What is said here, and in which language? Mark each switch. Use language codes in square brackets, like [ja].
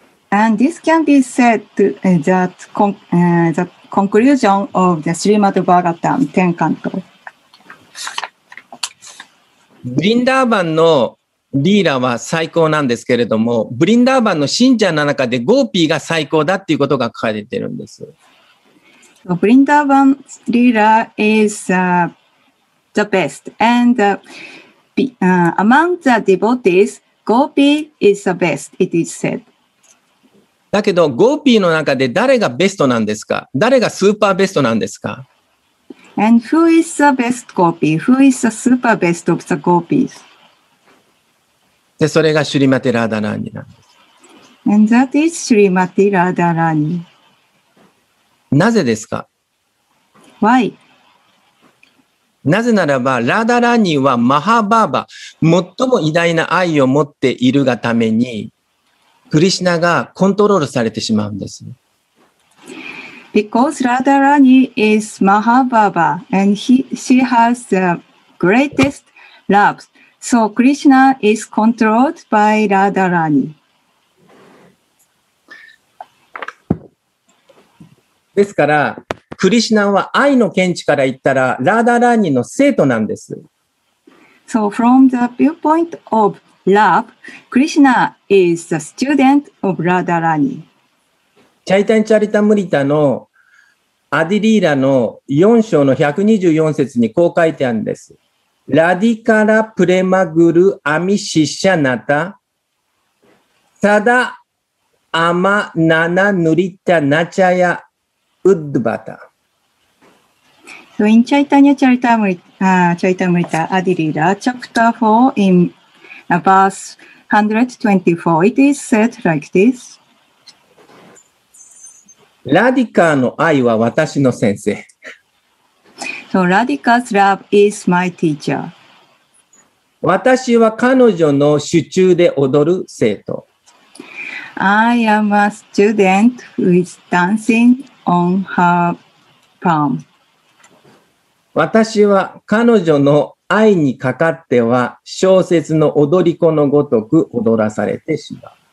[en] And this can be said that the conclusion of the Srimad Bhagavatam 10 canto. [ja] ブリンダーバンのリーラは最高なんですけれども、ブリンダーバンの信者の中でゴーピーが最高だっていうことが書かれているんです。 [en] ブリンダーバンリーラ is the best. And among the devotees, Gopi is the best, it is said. [ja] だけど、ゴーピーの中で誰がベストなんですか？誰がスーパーベストなんですか？ [en] And who is the best gopi? Who is the super best of the gopis? [ja] で、それがシュリマティ・ラーダラーニなんです。 [en] And that is シュリマティ・ラーダラーニ。 [ja] なぜですか？ [en] Why? [ja] なぜならば、ラーダラーニはマハバーバ、最も偉大な愛を持っているがために、クリシナがコントロールされてしまうんです。 [en] Because Radharani is Mahabhava and she has the greatest love, so Krishna is controlled by Radharani. [ja] ですから、クリシナは愛の見地から言ったらRadharaniの生徒なんです。 [en] So from the viewpoint of Love, Krishna is the student of Radharani. [ja] チャイタンチャリタムリタのアディリーラの4章の124節にこう書いてあるんです。 [sa] ラディカラプレマグルアミシッシャナタサダアマナナヌリタナチャヤウッドバタ。 [en] So in Chaitanya Charitamrita, Charitamrita Adilila, chapter 4 inVerse 124, it is said like this. [ja] ラディカの愛は私の先生。 [en] So, Radhika's love is my teacher. [ja] 私は彼女の手中で踊る生徒。 [en] I am a student who is dancing on her palm. [ja] 私は彼女の愛にかかっては小説の踊り子のごとく踊らされてしまう。